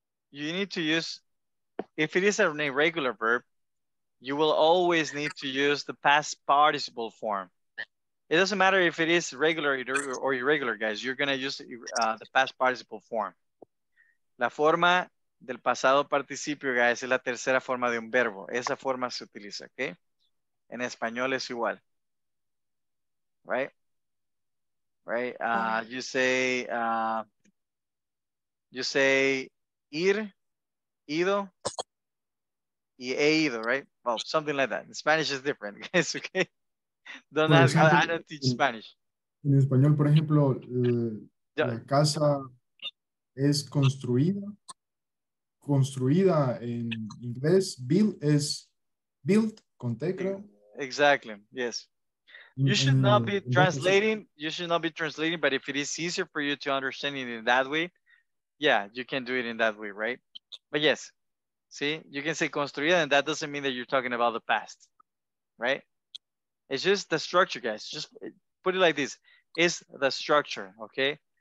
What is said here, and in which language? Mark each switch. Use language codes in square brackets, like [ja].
[en] You need to use, if it is an irregular verb, you will always need to use the past participle form. It doesn't matter if it is regular or irregular, guys. You're going to use the past participle form. [es] La forma del pasado participio, guys, es la tercera forma de un verbo. Esa forma se utiliza, okay? En español es igual. Right? Right? [en] You say ir, ido, [es] y he ido, [en] right? Well, something like that. In Spanish is different, guys, okay? I don't teach Spanish. [es] En español, por ejemplo, la casa es construida. Construida en inglés, [en] built is built [es] con tecla. [en] Exactly, yes. You should not be translating, but if it is easier for you to understand it in that way, yeah, you can do it in that way, right? But yes, see, you can say construida, and that doesn't mean that you're talking about the past, right? It's just the structure, guys. Just put it like this. It's the structure, okay?